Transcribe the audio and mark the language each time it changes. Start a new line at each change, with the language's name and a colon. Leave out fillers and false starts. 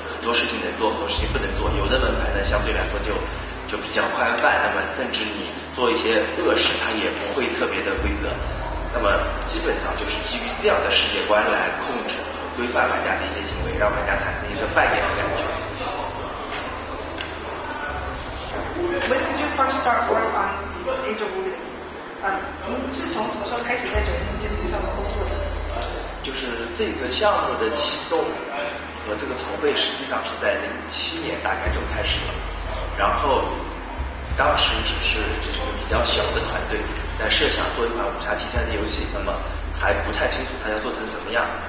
Chinese: 多事情能做，很多事情不能做。有的门牌呢，相对来说就比较宽泛，那么甚至你做一些恶事，它也不会特别的规则。那么基本上就是基于这样的世界观来控制和规范玩家的一些行为，让玩家产生一个扮演的感觉。
English: When did you first start work on Age of Wulin？
Chinese: 您是从什么时候开始在酒店经济上的工作的？就是这个项目的启动和这个筹备，实际上是在2007年大概就开始了。然后当时只是个比较小的团队，在设想做一款武侠题材的游戏，那么还不太清楚它要做成什么样。